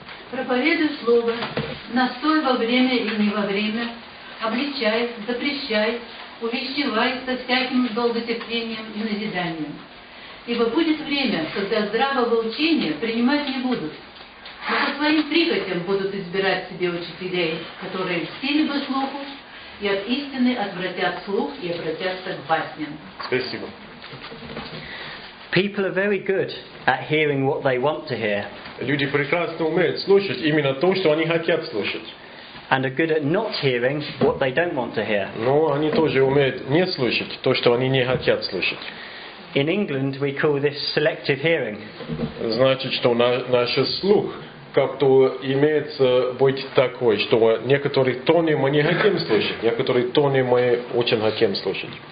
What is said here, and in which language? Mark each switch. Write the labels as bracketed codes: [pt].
[ru] Проповедуй слово, настой во время и не во время, обличай, запрещай, увещевай со всяким долготерпением и назиданием. Ибо будет время, когда здравого учения принимать не будут, но по своим прихотям будут избирать себе учителей, которые льстили бы слуху, и от истины отвратят слух и обратятся к басням. Спасибо. [en] People are very good at hearing what they want to hear. [ru] Люди прекрасно умеют слушать именно то, что они хотят слушать. [en] And are good at not hearing what they don't want to hear. [ru] Но они тоже умеют не слушать то, что они не хотят слушать. [en] In England, we call this selective hearing. [ru] Значит, что наш слух как-то имеется быть такой, что некоторые тоны мы не хотим слушать, некоторые тоны мы очень хотим слушать.